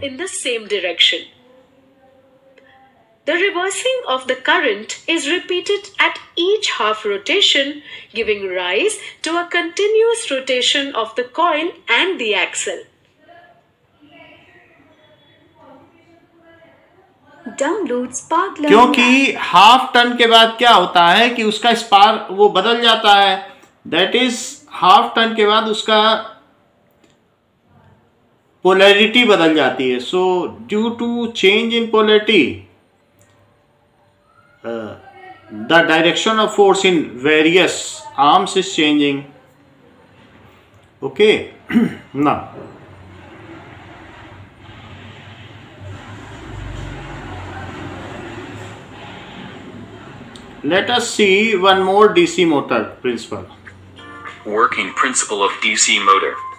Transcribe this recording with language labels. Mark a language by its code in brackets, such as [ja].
[en] in the same direction. The reversing of the current is repeated at each half rotation, giving rise to a continuous rotation of the coil and the axle. [hi] क्योंकि half turn के बाद क्या होता है कि उसका spark वो बदल जाता है, दैट इज हाफ टर्न के बाद उसका पोलैरिटी बदल जाती है, [en] So due to change in polarity the direction of force in various arms is changing. Okay ना, let us see one more DC motor principle. Working principle of DC motor.